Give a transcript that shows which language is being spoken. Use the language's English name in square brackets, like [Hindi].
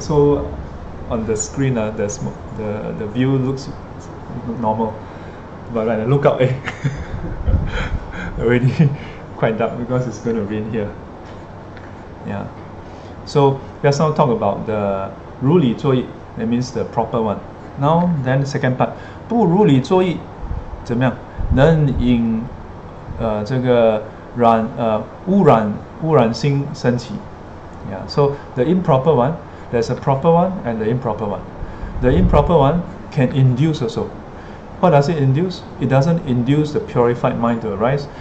[English] So on the screen, the view looks normal. But when I look out, already quite dark because it's going to rain here. Yeah. So let's now talk about the 如理作意, that means the proper one. Now, then second part, 不如理作意, [Chinese] 怎么样? 能引这个染污染污染心升起。 [English] Yeah, so the improper one, there's a proper one and the improper one. The improper one can induce also. What does it induce? It doesn't induce the purified mind to arise.